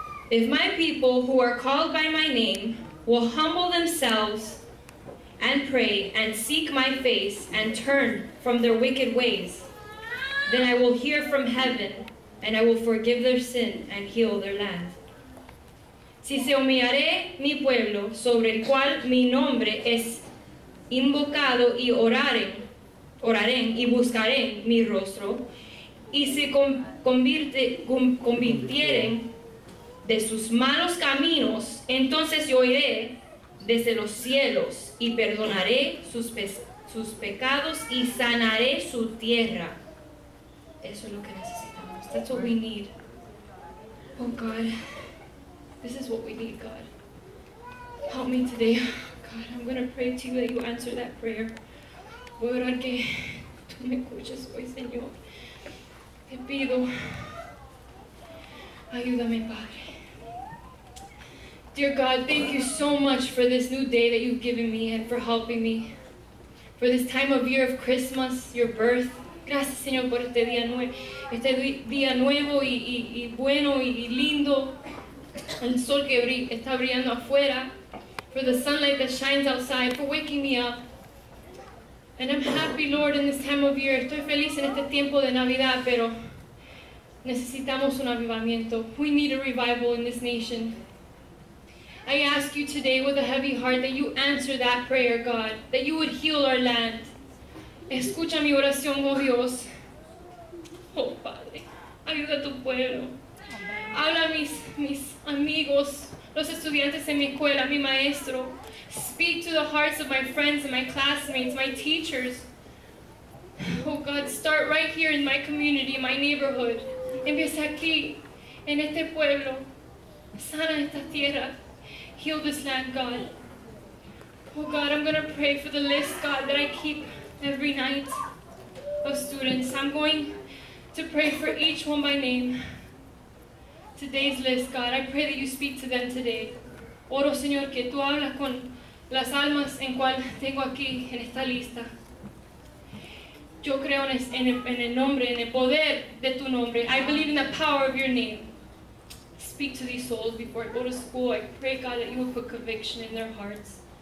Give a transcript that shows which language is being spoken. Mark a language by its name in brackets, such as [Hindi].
[English] If my people who are called by my name will humble themselves and pray and seek my face and turn from their wicked ways, then I will hear from heaven and I will forgive their sin and heal their land. [Spanish] Si se humillare mi pueblo sobre el cual mi nombre es invocado y oraré y buscaré mi rostro, y se convirtieren de sus malos caminos, entonces yo iré desde los cielos y perdonaré sus pecados y sanaré su tierra. Eso es lo que necesitamos. [English] That's what we need. Oh God, this is what we need, God. Help me today. God, I'm going to pray to you that you answer that prayer. [Spanish] Voy a orar que tú me escuches hoy, Señor. Te pido, ayúdame, Padre. [English] Dear God, thank you so much for this new day that you've given me and for helping me. For this time of year of Christmas, your birth. [Spanish] Gracias, Señor, por este día nuevo y bueno y lindo. El sol que está brillando afuera. [English] For the sunlight that shines outside, for waking me up. And I'm happy, Lord, in this time of year. [Spanish] Estoy feliz en este tiempo de Navidad, pero necesitamos un avivamiento. [English] We need a revival in this nation. I ask you today with a heavy heart that you answer that prayer, God, that you would heal our land. [Spanish] Escucha mi oración, oh Dios. Oh, Padre, ayuda a tu pueblo. Habla a mis amigos, los estudiantes en mi escuela, mi maestro. [English] Speak to the hearts of my friends and my classmates, my teachers. Oh, God, start right here in my community, in my neighborhood. [Spanish] Empieza aquí, en este pueblo. Sana esta tierra. [English] Heal this land, God. Oh, God, I'm going to pray for the list, God, that I keep every night of students. I'm going to pray for each one by name. Today's list, God, I pray that you speak to them today. [Spanish] Oro, Señor, que tú hablas con las almas en cual tengo aquí en esta lista. Yo creo en el nombre, en el poder de tu nombre. [English] I believe in the power of your name. Speak to these souls before I go to school. I pray, God, that you will put conviction in their hearts.